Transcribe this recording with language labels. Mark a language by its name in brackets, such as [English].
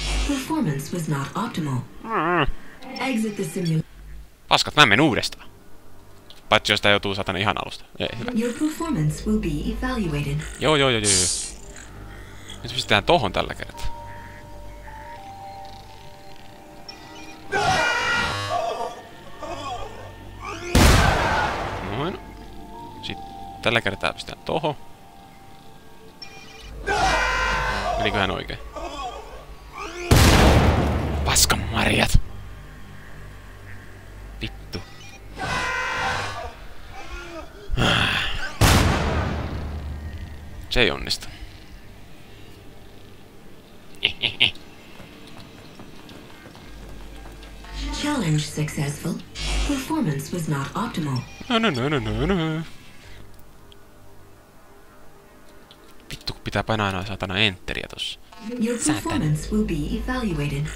[English] Performance was not optimal. Exit the simulation. [Finnish] Paskat, mä menen uudestaan. Paitsi jos tää joutuu satana ihan alusta. Ei, hyvä. [English] Your performance will be evaluated. [Finnish] Joo. Nyt pistetään tohon tällä kertaa. Noin. Sitten tällä kertaa pistetään toho. Meniköhän oikein? Paskan marjat! Vittu. Se ei onnistu. [English] Challenge successful. Performance was not optimal. [Finnish] No. Vittu, kun pitää painaa aina satana enteriä tossa. [English] Your performance will be evaluated.